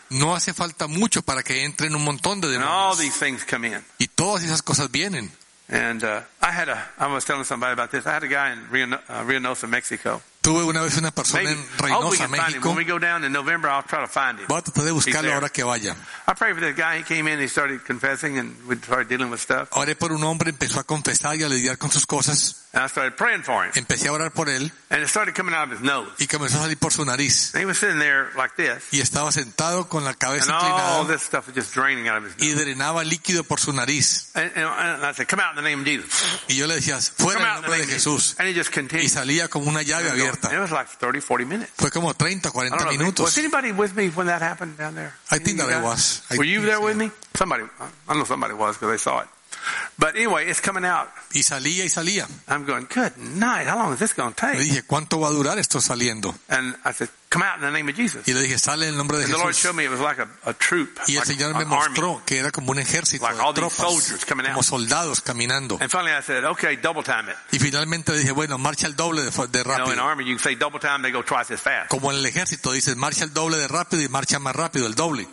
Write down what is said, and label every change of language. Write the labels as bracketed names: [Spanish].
[Spanish] No hace falta mucho para que entren un montón de demonios. [English] And all these things come in. [Spanish] Y todas esas cosas vienen. [English] And I was telling somebody about this. I had a guy in Reynosa, Mexico. [Spanish] Tuve una vez una persona en Reynosa, México. [English] When we go down in November, I'll try to find him. [Spanish] Voy a tratar de buscarlo ahora que vaya. [English] I prayed for this guy. He came in. He started confessing, and we started dealing with stuff. [Spanish] Oré por un hombre, empezó a confesar y a lidiar con sus cosas. [English] And I started praying for him. [Spanish] Empecé a orar por él. [English] And it started coming out of his nose. [Spanish] Y comenzó a salir por su nariz. [English] And he was sitting there like this. [Spanish] Y estaba sentado con la cabeza [English] and [Spanish] inclinada. [English] And all this stuff was just draining out of his nose. [Spanish] Y drenaba líquido por su nariz. [English] And I said, "Come out in the name of Jesus." [Spanish] Y yo le decía, "Fuera en el nombre de Jesús." [English] And he just continued. [Spanish] Y salía como una llave abierta. [English] It was like 30, 40 minutes. [Spanish] Fue como 30, 40 minutos. [English] Was anybody with me when that happened down there? I think that I was. Were you there with me? Somebody, I don't know if somebody was because they saw it. But anyway, it's coming out. [Spanish] Y salía y salía. [English] I'm going, good night. How long is this going to take? [Spanish] Le dije, ¿cuánto va a durar esto saliendo? [English] And I said, come out in the name of Jesus. [Spanish] Y le dije, sale en el nombre de Jesús. [English] And the Lord showed me it was like a troop. [Spanish] Y el Señor me mostró que era como un ejército de tropas, [English] soldiers coming out. [Spanish] Como soldados caminando. [English] And finally I said, okay, double time it. [Spanish] Y finalmente le dije, bueno, marcha el doble de rápido. [English] You know, in army you can say double time, they go twice as fast. [Spanish] Como en el ejército dices, marcha el doble de rápido y marcha más rápido, el doble.